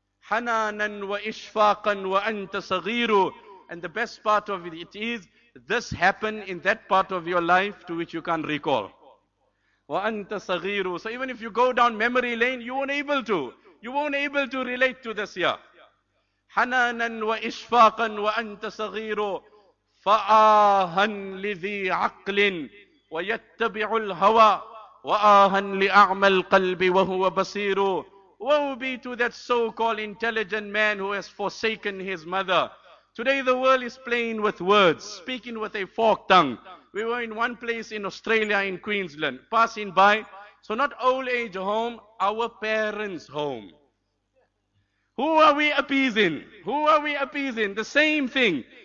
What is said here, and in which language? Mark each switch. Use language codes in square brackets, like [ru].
[ar] حَنَانًا وَإِشْفَاقًا وَأَنْتَ صَغِيرٌ [en] And the best part of it is, this happened in that part of your life to which you can't recall. [ar] وَأَنْتَ صَغِيرُ [en] So even if you go down memory lane, you won't able to. You won't able to relate to this here. [ar] حَنَانًا وَإِشْفَاقًا وَأَنْتَ صَغِيرُ فَآهًا لِذِي عَقْلٍ وَيَتَّبِعُ الْهَوَى وَآهًا لِأَعْمَى الْقَلْبِ وَهُوَ بَصِيرُ [en] Woe be to that so-called intelligent man who has forsaken his mother. Today the world is playing with words, speaking with a forked tongue. We were in one place in Australia, in Queensland, passing by. So not old age home, our parents' home. Who are we appeasing? Who are we appeasing? The same thing.